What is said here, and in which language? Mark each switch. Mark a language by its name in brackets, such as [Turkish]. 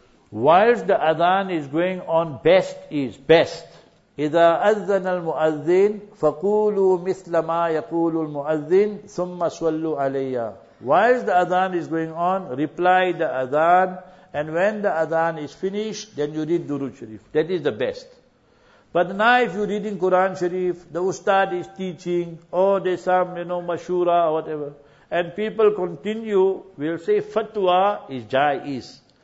[English] Whilst the adhan is going on, best. [Arabic] إذا أذن المؤذن فقولوا مثل ما يقول المؤذن ثم صلوا عليا. [English] Whilst the adhan is going on, reply the adhan, and when the adhan is finished, then you read Durud Sharif. That is the best. But now if you're reading Quran Sharif, the ustad is teaching, or there's some, you know, mashura or whatever, and people continue, we'll say fatwa is jaiz.